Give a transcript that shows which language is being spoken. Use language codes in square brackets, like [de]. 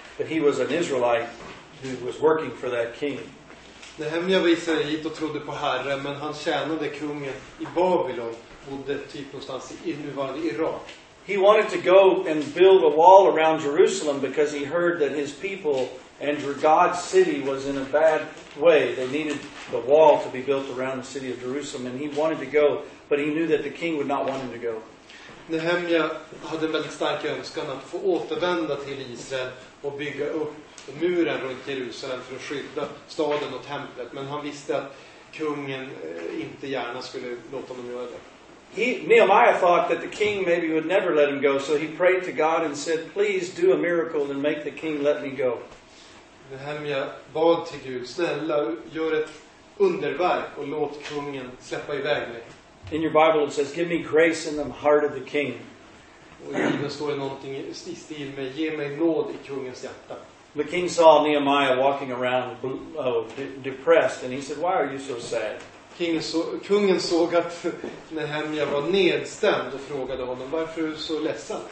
[en] But he was an Israelite who was working for that king. [sv] Nehemia var israelit och trodde på Herren, men han tjänade kungen i Babylon, bodde typ någonstans i nuvarande Irak. [en] He wanted to go and build a wall around Jerusalem because he heard that his people and God's city was in a bad way. They needed the wall to be built around the city of Jerusalem, and he wanted to go, but he knew that the king would not want him to go. [sv] Nehemia hade en väldigt stark önskan att få återvända till Israel och bygga upp muren runt Jerusalem för att skydda staden och templet, men han visste att kungen inte gärna skulle låta honom göra det. [en] Nehemiah thought that the king maybe would never let him go, so he prayed to God and said, please do a miracle and make the king let me go. [sv] Nehemia bad till Gud, snälla gör ett underverk och låt kungen släppa iväg mig. [en] In your Bible it says, give me grace in the heart of the king. [sv] Och i Bibeln står det någonting i stil med, ge mig nåd i kungens hjärta. [en] The king saw Nehemiah walking around depressed, and he said, why are you so sad? [sv] Kungen såg att Nehemia var nedstämd och frågade honom, varför är du så ledsen?